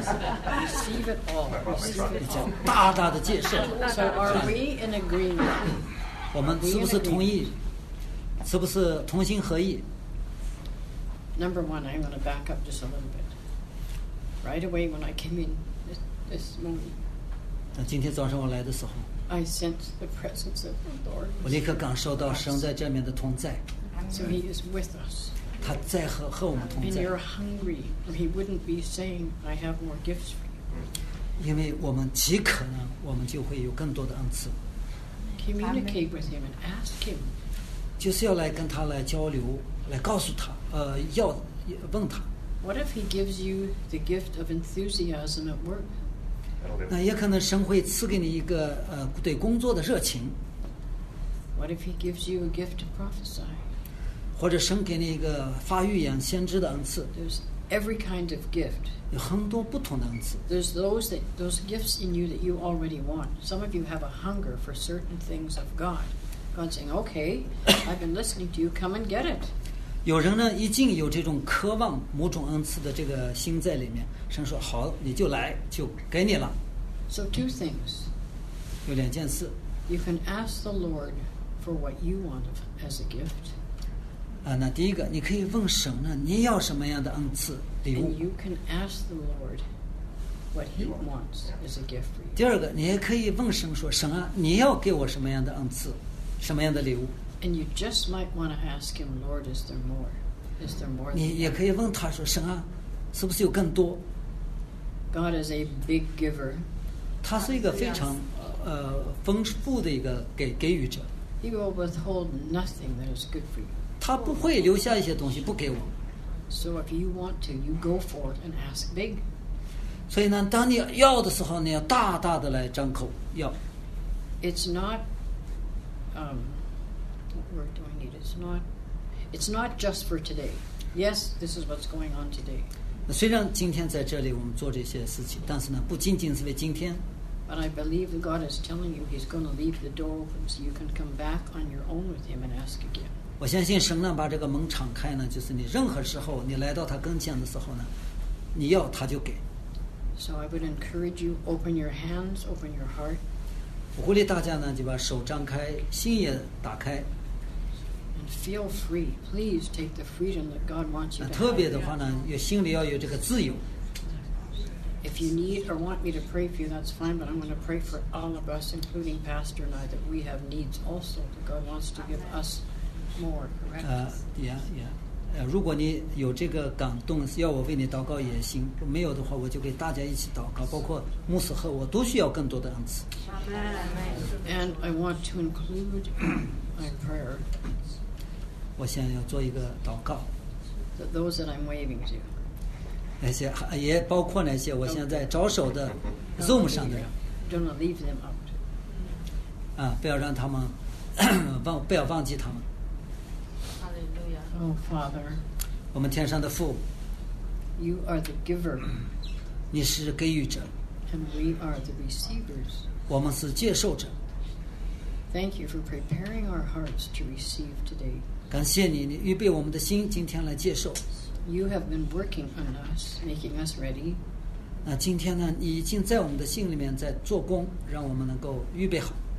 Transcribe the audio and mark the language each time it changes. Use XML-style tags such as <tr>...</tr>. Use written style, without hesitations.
<en>Receive it all. Receive it all.</en> <zh>大大的接受。</zh> <en>So are we in agreement?</en> <zh>我们是不是同意？是不是同心合意</zh> <en>？Number one, I'm going to back up just a little bit. Right away when I came in this morning.</en> <zh>那今天早上我来的时候。</zh> <en>I sense the presence of the Lord.</en> <zh>我立刻感受到神在这面的同在。</zh> <en>So he is with us. And you're hungry, or he wouldn't be saying, I have more gifts for you.</en> <zh>因为我们极可能我们就会有更多的恩赐。</zh> <en>Communicate with him and ask him.</en> <zh>就是要来跟他来交流，来告诉他，要问他。</zh> <en>What if he gives you the gift of enthusiasm at work?</en> <zh>那也可能神会赐给你一个对工作的热情。</zh> <en>What if he gives you a gift to prophesy?</en> <zh>或者神给你一个发预言先知的恩赐</zh> <en>There's every kind of gift</en> <zh>有很多不同的恩赐</zh> <en>There's those gifts in you that you already want Some of you have a hunger for certain things of God God's saying, okay, I've been listening to you, come and get it</en> <zh>有人呢已经有这种渴望某种恩赐的这个心在里面神说好你就来就给你了</zh> <en>So two things</en> <zh>有两件事</zh> <en>You can ask the Lord for what you want as a gift</en> <zh>那第一个你可以问神呢你要什么样的恩赐礼物</zh> <en>And you can ask the Lord what he wants as a gift for you</en> <zh>第二个你也可以问神说神啊你要给我什么样的恩赐什么样的礼物</zh> <en>And you just might want to ask him Lord is there more Is there more</en> <zh>你也可以问他说神啊是不是有更多</zh> <en>God is a big giver</en> <zh>他是一个非常丰富的一个给予者</zh> <en>He will withhold nothing that is good for you</en> <zh>他不会留下一些东西不给我。</zh> <en>So if you want to, you go for it and ask big.</en> <zh>所以呢，当你要的时候，你要大大的来张口要。</zh> <en>It's not, what word do I need? It's not just for today. Yes, this is what's going on today.</en> <zh>虽然今天在这里我们做这些事情，但是呢，不仅仅是为今天。</zh> <en>But I believe that God is telling you He's going to leave the door open so you can come back on your own with Him and ask again.</en> <zh>我相信神呢把这个门敞开呢就是你任何时候你来到他跟前的时候呢你要他就给</zh> <en>So I would encourage you open your hands open your heart</en> <zh>我鼓励大家呢就把手张开心也打开</zh> <en>And feel free please take the freedom that God wants you to have</en> <zh>特别的话呢有心里要有这个自由</zh> <en>If you need or want me to pray for you that's fine but I'm going to pray for all of us including Pastor and I that we have needs also that God wants to give usMore, correct? Yeah.</en> <zh>如果你有这个感动，要我为你祷告也行。没有的话，我就给大家一起祷告，包括牧师和我都需要更多的恩赐。</zh> <en>And I want to include my prayer.</en> <zh>我想要做一个祷告。</zh> <en>That those that I'm waving to.</en> <zh>那些也包括那些我现在招手的 Zoom 上的人。</zh> <en>Don't leave them out.</en> <zh>不要让他们不要忘记他们。</zh> <en>Oh, Father,</en> <zh>我们天上的父</zh> <en>You are the giver</en> <zh>你是给予者</zh> <en>And we are the receivers</en> <zh>我们是接受者</zh> <en>Thank you for preparing our hearts to receive today</en> <zh>感谢你你预备我们的心今天来接受</zh> <en>You have been working on us, making us ready</en> <zh>那今天呢你已经在我们的心里面在做工让我们能够预备好</zh>